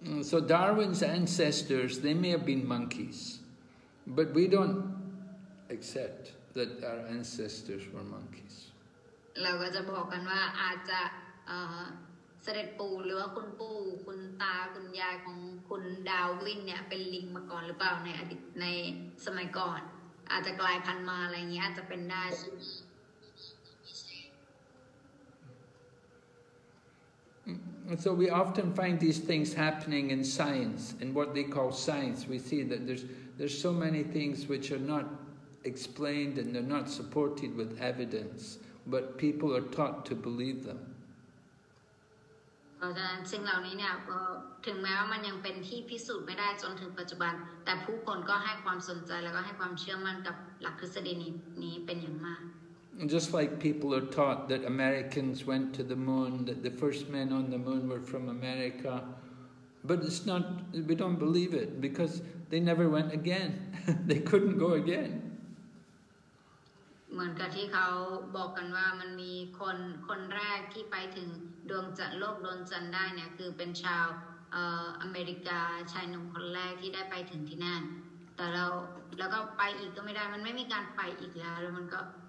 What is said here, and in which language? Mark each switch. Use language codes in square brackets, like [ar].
[en] So Darwin's ancestors, they may have been monkeys, but we don't accept that our ancestors were monkeys. [th] เราก็จะบอกกันว่าอาจจะเสด็จปู่หรือว่าคุณปู่คุณตาคุณยายของคุณดาวินเนี่ยเป็นลิงมาก่อนหรือเปล่าในอดีตในสมัยก่อนอาจจะกลายพันธุ์มาอะไรอย่างเงี้ยอาจจะเป็นได้ [en] So we often find these things happening in science, in what they call science. We see that there's so many things which are not explained and they're not supported with evidence, but people are taught to believe them. [th] เพราะฉะนั้นสิ่งเหล่านี้เนี่ยถึงแม้ว่ามันยังเป็นที่พิสูจน์ไม่ได้จนถึงปัจจุบันแต่ผู้คนก็ให้ความสนใจแล้วก็ให้ความเชื่อมั่นกับหลักทฤษฎีนี้เป็นอย่างมาก [en] Just like people are taught that Americans went to the moon, that the first men on the moon were from America, but it's not, we don't believe it because they never went again. They couldn't go again. [th] เหมือนกับที่เขาบอกกันว่ามันมีคนแรกที่ไปถึงดวงจันทร์โลกดวงจันทร์ได้เนี่ยคือเป็นชาวอเมริกาชายหนุ่มคนแรกที่ได้ไปถึงที่นั่นแต่เราแล้วก็ไปอีกก็ไม่ได้มันไม่มีการไปอีกแล้วมันก็